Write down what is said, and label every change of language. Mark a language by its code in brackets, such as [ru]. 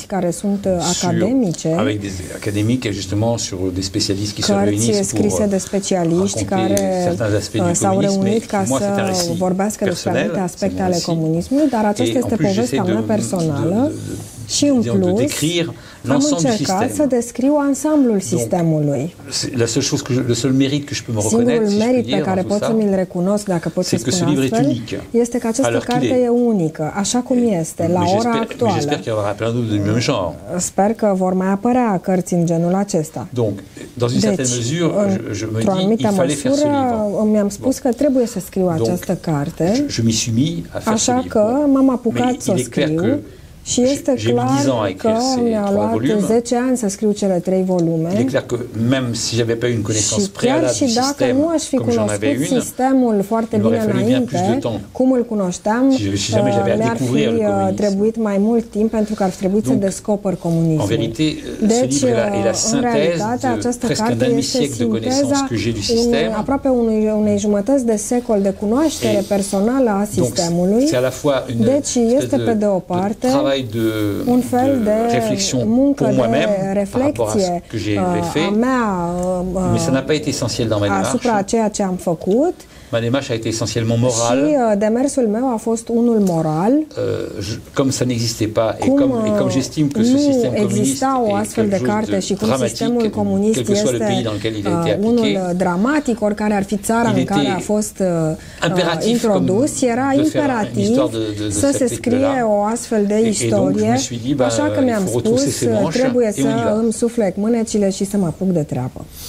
[fr] qui sont des universitaires, justement sur des spécialistes qui se réunissent pour raconter certains aspects du comunisme. Moi, c'est un récit personnel. Et en plus, j'essaie de décrire l'ensemble du système. [ro] Să descriu ansamblul sistemului. [fr] La seule chose que le seul mérite que je peux me reconnaître, [ro] care pot să mi-l recunosc, dacă pot să spun asta, este că această carte e unică, așa cum este la ora actuală. [fr] J'espère qu'il y aura plein d'autres du même genre. [ro] Sper că vor mai apărea cărți în genul acesta. [fr] Donc, dans une certaine mesure, je me dis qu'il fallait faire ce livre. [ro] Mi-am spus că trebuie să scriu această carte. [fr] Je m'y suis mis à faire ce livre. [ro] Așa că m-am apucat să scriu. Și este clar că mi-a luat 10 ani să scriu cele 3 volume. Și chiar și dacă nu aș fi cunoscut sistemul foarte bine înainte, cum îl cunoșteam, mi-ar fi trebuit mai mult timp pentru că ar trebui să descoper comunismul. Deci, în realitate, această carte este sinteza aproape unei jumătăți de secol de cunoaștere personală a sistemului. Deci, este pe de o parte un fel de muncă de reflexie a mea asupra ceea ce am făcut. [fr] Ma démarche a été essentiellement morale. [ro] Și demersul meu a fost unul moral. [fr] Comme ça n'existait pas et comme j'estime que ce système communiste [ro] o astfel de carte și cum sistemul comunist este unul dramatic, oricare ar fi țara în care a fost introdus, era imperativ să se scrie o astfel de istorie. Așa că mi-am spus, trebuie să îmi suflec mânecile și să mă apuc de treabă.